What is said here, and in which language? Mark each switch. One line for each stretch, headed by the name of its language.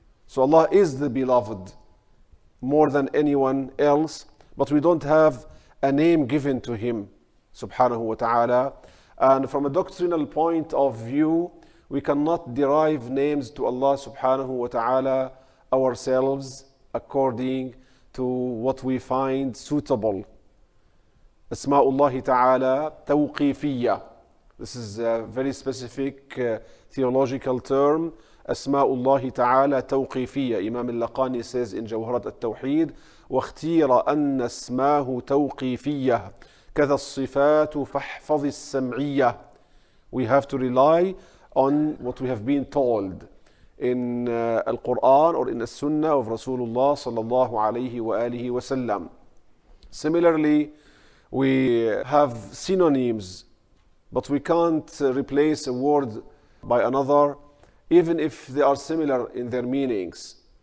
English: So Allah is the beloved more than anyone else, but we don't have a name given to him subhanahu wa ta'ala. And from a doctrinal point of view, we cannot derive names to Allah subhanahu wa ta'ala ourselves according to what we find suitable.
Arabic: اسماء الله تعالى توقيفية.
English: This is a very specific theological term.
Arabic: اسماء الله تعالى توقيفية. إمام اللقاني
English: says in
Arabic: جوهرة التوحيد واختير أن اسماه توقيفية كذا الصفات فاحفظ السمعية.
English: We have to rely on what we have been told in Al-Quran or in the Sunnah of Rasulullah sallallahu alayhi wa alihi wa sallam. Similarly, we have synonyms, but we can't replace a word by another, even if they are similar in their meanings.